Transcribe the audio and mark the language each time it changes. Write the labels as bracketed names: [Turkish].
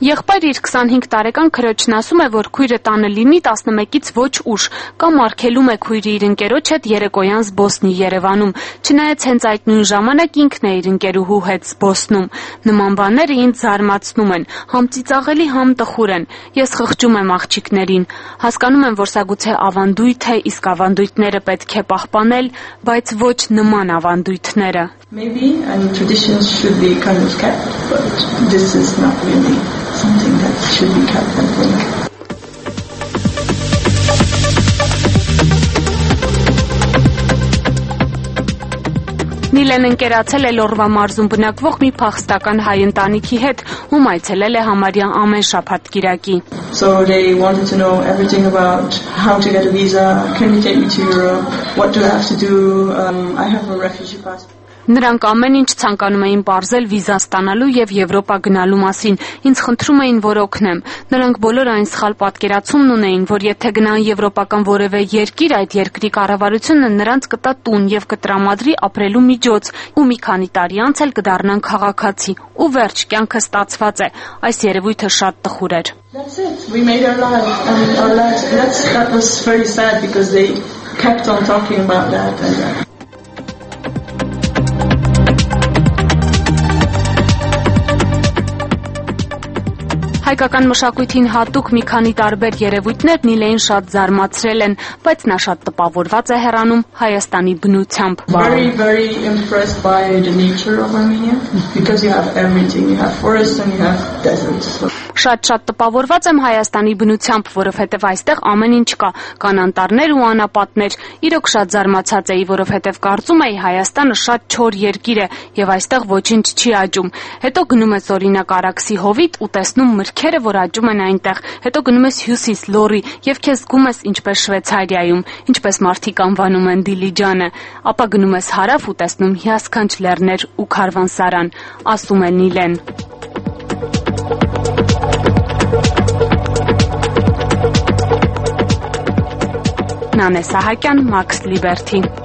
[Armenian] Եղբայր իր 25 տարեկան քրոջն ասում է, որ քույրը տանը լինի 11-ից ոչ ուշ, կամ արգելում է քույրը իր ընկերոջ հետ երեկոյան զբոսնի Երևանում, չնայած հենց այդ նույն ժամանակ ինքն է իր ընկերուհու հետ զբոսնում։ Նման բաները ինձ զարմացնում են, համ ծիծաղելի, համ տխուր են։ Ես խղճում եմ աղջիկներին, հասկանում եմ, որ սա գուցե ավանդույթ է, իսկ ավանդույթները պետք է պահպանել, բայց ոչ նման ավանդույթները։ [English] Maybe and traditions should be kind of kept, but this is not really something that should be kept, I think. [Armenian] Նիլեն ընկերացել է Լոռվա մարզում բնակվող մի փախստական հայ ընտանիքի հետ, ում այցելել է համարյա ամեն շաբաթկիրակի։ [English] So they wanted to know everything about how to get a visa, can you take me to Europe, what do I have to do, I have a refugee passport. [Armenian] Նրանք ամեն ինչ ցանկանում էին պարզել վիզա ստանալու և Եվրոպա գնալու մասին, ինձ խնդրում էին, որ օգնեմ։ Նրանք բոլոր այն սխալ պատկերացումն ունեին, որ եթե գնան եվրոպական որևէ երկիր, այդ երկրի կառավարությունը նրանց կտա տուն և կտրամադրի ապրելու միջոց, ու մի քանի տարի անց էլ կդառնան քաղաքացի, ու վերջ, կյանքը ստացված է։ Այս երևույթը շատ տխուր էր։ Հայկական մշակույթին հատուկ մի քանի տարբեր երևույթներ Նիլեին շատ զարմացրել են, բայց նա շատ տպավորված է հեռանում Հայաստանի բնությամբ։ [English] Very, very impressed by the nature of Armenia, because you have everything, you have forests and you have deserts. [Armenian] Շատ-շատ տպավորված եմ Հայաստանի բնությամբ, որովհետև այստեղ ամեն ինչ կա, կան անտառներ ու անապատներ։ Իրոք շատ զարմացած էի, որովհետև կարծում էի, Հայաստանը շատ չոր երկիր է և այստեղ ոչինչ չի աճում։ Հետո գնում ես օրինակ Արաքսի հովիտ ու տեսնում մրգերը, որ աճում են այնտեղ, հետո գնում ես Հյուսիս Լոռի և քեզ զգում ես ինչպես Շվեյցարիայում, ինչպես մարդիկ անվանում են Դիլիջանը, ապա գնում ես հարավ ու տեսնում հիասքանչ լեռներ ու քարվանսարան, ասում է Նիլեն։ Նանե Սահակյան, Մաքս Լիբերթի։